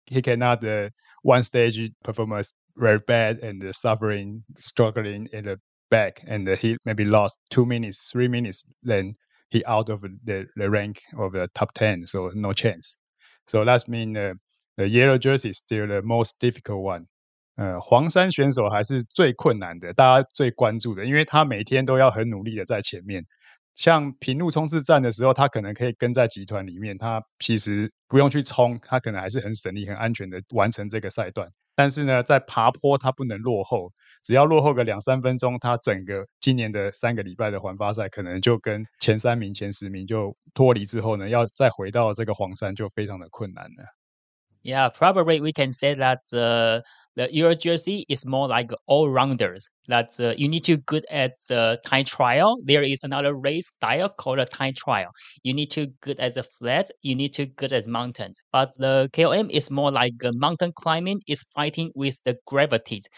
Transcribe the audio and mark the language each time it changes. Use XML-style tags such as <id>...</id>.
<en>He cannot one stage performance very bad and suffering, struggling in the back, and he maybe lost 2 minutes, 3 minutes then. He out of the rank of the top 10, so no chance. So that means the yellow jersey is still the most difficult one.</en> <zh>黄山选手还是最困难的，大家最关注的，因为他每天都要很努力的在前面。像平路冲刺战的时候，他可能可以跟在集团里面，他其实不用去冲，他可能还是很省力、很安全的完成这个赛段。但是呢，在爬坡他不能落后，只要落后个两三分钟，他整个今年的三个礼拜的环法赛可能就跟前三名、前十名就脱离之后呢，要再回到这个黄山就非常的困难了。</zh> <en>Yeah, probably we can say that the Euro jersey is more like all-rounders, that you need to be good at the time trial. There is another race style called a time trial. You need to be good at the flat, you need to be good at mountains. But the KOM is more like mountain climbing is fighting with the gravity.</en>